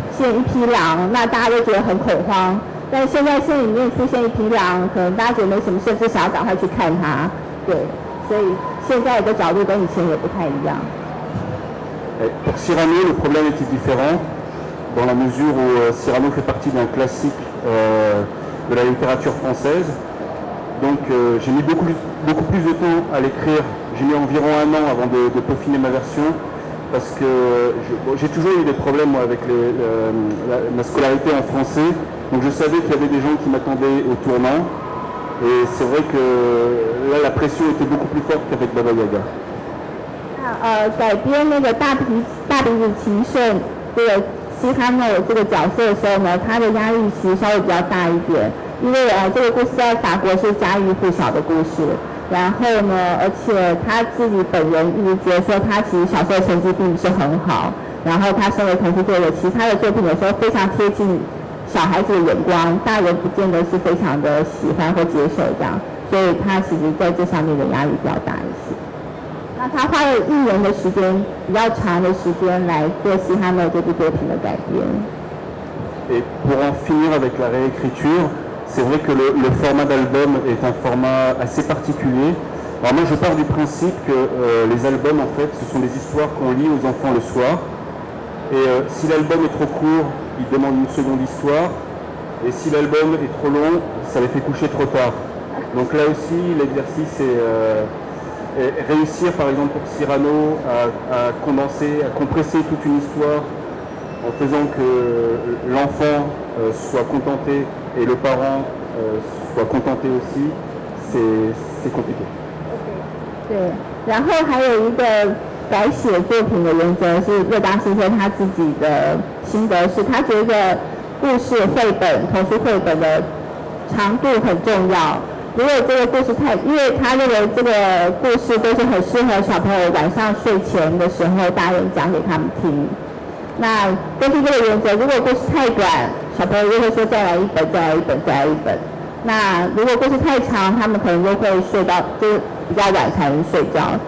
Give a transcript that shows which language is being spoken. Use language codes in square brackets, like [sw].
[fr] Il dit, [zh] 但现在森林里面出现一匹狼，可能大家觉得没什么事，就想要赶快去看它。对，所以现在的角度跟以前也不太一样。 [fr] Pour Cyrano, le problème était différent, dans la mesure où Cyrano fait partie d'un classique de la littérature française. Donc j'ai mis beaucoup plus de temps à l'écrire. J'ai mis environ un an avant de peaufiner ma version, parce que j'ai toujours eu des problèmes moi, avec ma scolarité en français. Donc je savais qu'il y avait des gens qui m'attendaient au tournant, et c'est vrai que là la pression était beaucoup plus forte qu'avec Baba Yaga. [zh] 改编那个大鼻子情圣这个西哈诺这个角色的时候呢，他的压力其实稍微比较大一点，因为这个故事在法国是家喻户晓的故事，然后呢，而且他自己本人一直觉得说他其实小时候成绩并不是很好，然后他身为童书作者，其他的作品有时候非常贴近小孩子的眼光，大人不见得是非常的喜欢或接受这样，所以他其实在这上面的压力比较大一些。那他花了一年的时间，比较长的时间来做西哈诺这部作品的改编。 [fr] Et pour en finir avec la réécriture, c'est vrai que le format d'album est un format assez particulier. Alors moi, je pars du principe que les albums, en fait, ce sont des histoires qu'on lit aux enfants le soir. Et si l'album est trop court, il demande une seconde histoire, et si l'album est trop long, ça les fait coucher trop tard. Donc là aussi, l'exercice est réussir, par exemple, pour Cyrano à condenser, à compresser toute une histoire en faisant que l'enfant soit contenté et le parent soit contenté aussi, c'est compliqué. Okay. [zh] 改写作品的原则是，乐达先生他自己的心得是，他觉得故事绘本同时绘本的长度很重要。如果这个故事太，因为他认为这个故事都是很适合小朋友晚上睡前的时候大人讲给他们听。那根据这个原则，如果故事太短，小朋友就会说再来一本，再来一本，再来一本。那如果故事太长，他们可能就会睡到，就比较晚才能睡觉。